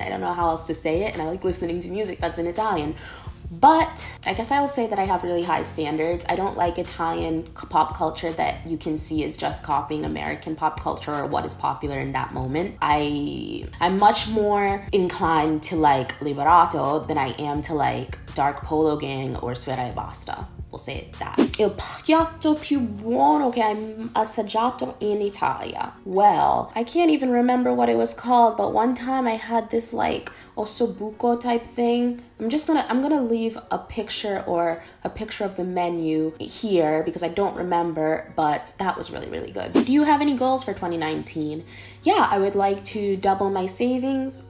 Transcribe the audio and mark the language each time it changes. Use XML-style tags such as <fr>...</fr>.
<en>I don't know how else to say it. And I like listening to music that's in Italian. But I guess I'll say that I have really high standards. I don't like Italian pop culture that you can see is just copying American pop culture or what is popular in that moment. I'm much more inclined to like Liberato than I am to like Dark Polo Gang or Sfera e Basta. We'll say that.</en> <it>Il piatto più buono che hai assaggiato in Italia.</it> <en>Well, I can't even remember what it was called, but one time I had this like ossobuco type thing. I'm gonna leave a picture or a picture of the menu here because I don't remember, but that was really, really good. Do you have any goals for 2019? Yeah, I would like to double my savings.</en>